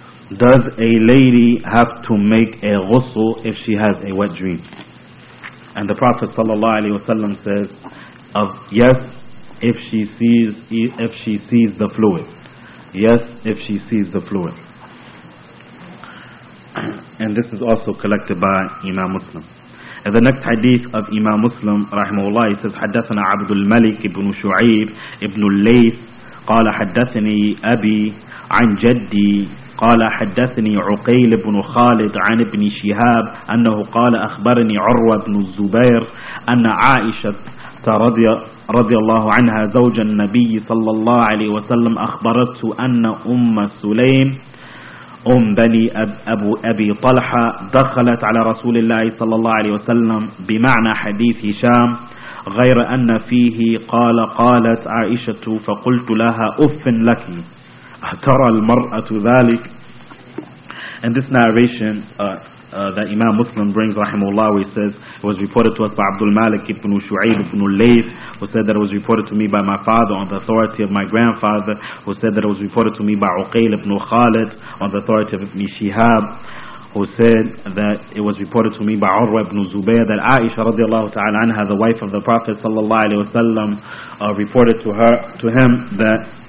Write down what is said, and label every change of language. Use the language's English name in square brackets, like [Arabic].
[English] Does a lady have to make a ghusl if she has a wet dream? And the Prophet ﷺ says, "Of yes, if she sees the fluid." Yes, if she sees the fluid. And this is also collected by Imam Muslim. And the next hadith of Imam Muslim, rahimahullah, he says, [Arabic] حدثنا عبد الملك بن شعيب بن الليث قال حدثني أبي عن جدي قال حدثني عقيل بن خالد عن ابن شهاب أنه قال أخبرني عروة بن الزبير أن عائشة رضي الله عنها زوج النبي صلى الله عليه وسلم أخبرته أن أم سليم أم بني أبي طلحة دخلت على رسول الله صلى الله عليه وسلم بمعنى حديث هشام غير أن فيه قال قالت عائشة فقلت لها أف لك أترى المرأة ذلك. [English] And this narration that Imam Muslim brings, rahimahullah, where he says it was reported to us by Abdul Malik ibn Shu'ayb ibn Layth, who said that it was reported to me by my father on the authority of my grandfather, who said that it was reported to me by Uqayl ibn Khalid on the authority of Ibn Shihab, who said that it was reported to me by Urwa ibn Zubayr, that Aisha radiallahu ta'ala anha, the wife of the Prophet sallallahu alayhi wa sallam, reported to him that